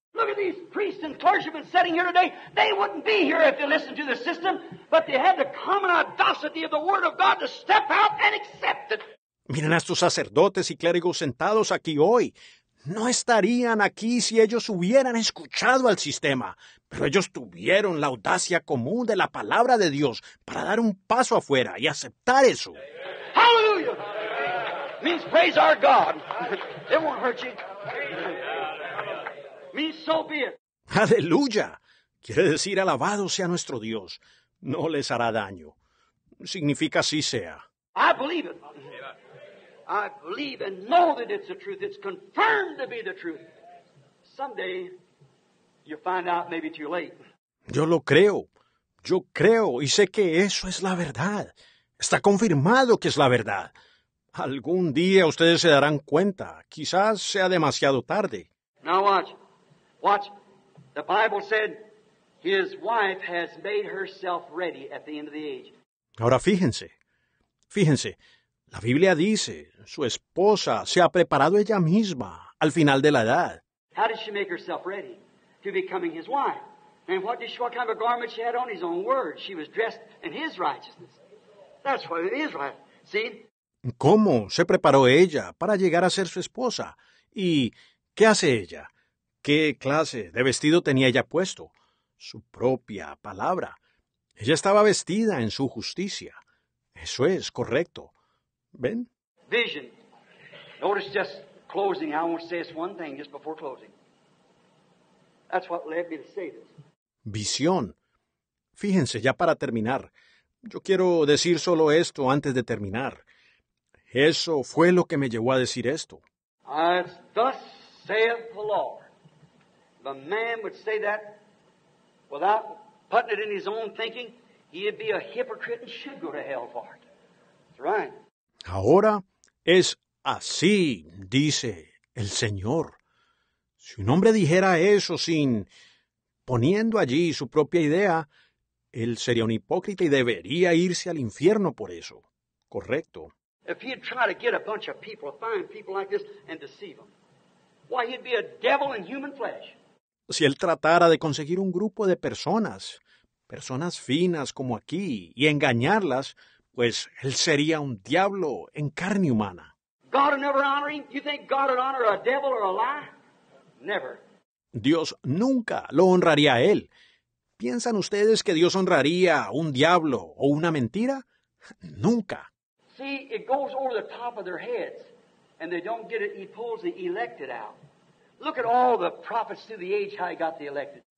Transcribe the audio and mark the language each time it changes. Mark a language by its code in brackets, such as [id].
[en] Look at these priests and clergymen sitting here today. They wouldn't be here if they listened to the system, but they had the common audacity of the Word of God to step out and accept it. [es] Miren a estos sacerdotes y clérigos sentados aquí hoy. No estarían aquí si ellos hubieran escuchado al sistema, pero ellos tuvieron la audacia común de la palabra de Dios para dar un paso afuera y aceptar eso. [en] Hallelujah! Means praise our God. It won't hurt you. Means so be it. [es] Hallelujah! Quiere decir alabado sea nuestro Dios. No les hará daño. Significa así sea. [en] I believe it. I believe and know that it's the truth. It's confirmed to be the truth. Someday, you'll find out maybe too late. [es] Yo lo creo. Yo creo y sé que eso es la verdad. Está confirmado que es la verdad. Algún día ustedes se darán cuenta. Quizás sea demasiado tarde. [en] Now watch. Watch. The Bible said, his wife has made herself ready at the end of the age. [es] Ahora fíjense. Fíjense. La Biblia dice, su esposa se ha preparado ella misma al final de la edad. [en] How did she make herself ready to becoming his wife? And what did she, what kind of a garment she had on? His own word. She was dressed in his righteousness. That's what it is, right? See? [es] ¿Cómo se preparó ella para llegar a ser su esposa? ¿Y qué hace ella? ¿Qué clase de vestido tenía ella puesto? Su propia palabra. Ella estaba vestida en su justicia. Eso es correcto. Ben? [en] Vision. Notice just closing. I want to say this one thing just before closing. That's what led me to say this. [es] Visión. Fíjense, ya para terminar. Yo quiero decir solo esto antes de terminar. Eso fue lo que me llevó a decir esto. [en] As thus saith the Lord. If a man would say that without putting it in his own thinking, he'd be a hypocrite and should go to hell for it. That's right. [es] Ahora es así, dice el Señor. Si un hombre dijera eso sin poniendo allí su propia idea, él sería un hipócrita y debería irse al infierno por eso. Correcto. [en] If he'd try to get a bunch of people, find people like this and deceive them, why he'd be a devil in human flesh. [es] Si él tratara de conseguir un grupo de personas, personas finas como aquí, y engañarlas, pues él sería un diablo en carne humana. [en] God will never honor him. You think God would honor a devil or a lie? Never. [es] Dios nunca lo honraría a él. ¿Piensan ustedes que Dios honraría a un diablo o una mentira? Nunca. [en] See, it goes over the top of their heads, and they don't get it. He pulls the elected out. Look at all the prophets through the age how he got the elected.